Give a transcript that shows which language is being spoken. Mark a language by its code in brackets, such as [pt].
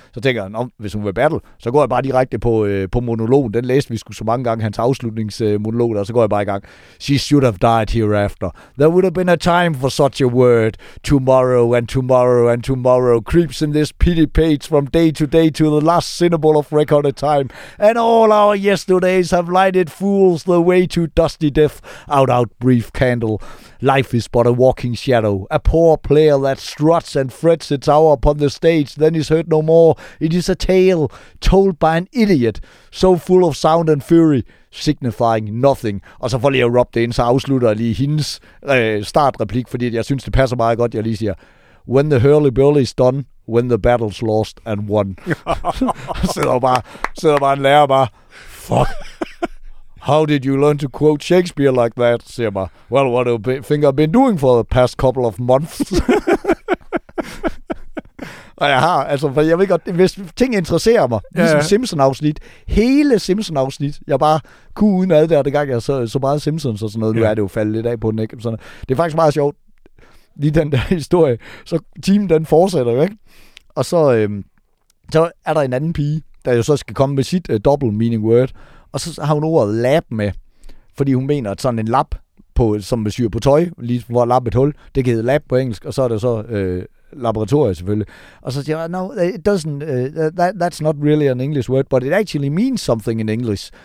[da] Så tænker jeg, hvis hun vil battle, så går jeg bare direkte på monologen. Den læste vi sgu så mange gange, hans afslutningsmonolog, og så går jeg bare i gang. [en] She should have died hereafter. There would have been a time for such a word. Tomorrow and tomorrow and tomorrow creeps in this pity page from day to day to the last syllable of recorded time. And all our yesterdays have lighted fools the way to dusty death. Out, out, brief candle. Life is but a walking shadow. A poor player that struts and frets its hour upon the stage, then is heard no more. It is a tale told by an idiot, so full of sound and fury, signifying nothing. [da] Og så for lige at rub det ind, så afslutter jeg lige hendes startreplik, fordi jeg synes, det passer meget godt, jeg lige siger. [en] When the hurly-burly is done, when the battle's lost and won. [da] sidder bare en lærer bare, fuck. [en] How did you learn to quote Shakespeare like that? [da] Siger bare, [en] well, what do you think I've been doing for the past couple of months? [da] Og jeg har, altså, for jeg ved godt, hvis ting interesserer mig, ligesom Simpson-afsnit, hele Simpson-afsnit, jeg bare kunne uden ad der, det gang jeg så meget Simpsons og sådan noget, nu er det jo faldet lidt af på den, ikke? Sådan, det er faktisk meget sjovt, lige den der historie. Så timen den fortsætter, ikke? Og så er der en anden pige, der jo så skal komme med sit [en] double meaning word. [da] Og så har hun ordet lap med. Fordi hun mener, at sådan en lap, som man syr på tøj, lige hvor lap et hul, det kan hedde lap på engelsk. Og så er det så laboratorie selvfølgelig. Og så siger hun, [en] no, it doesn't, that's not really an English word, but it actually means something in English.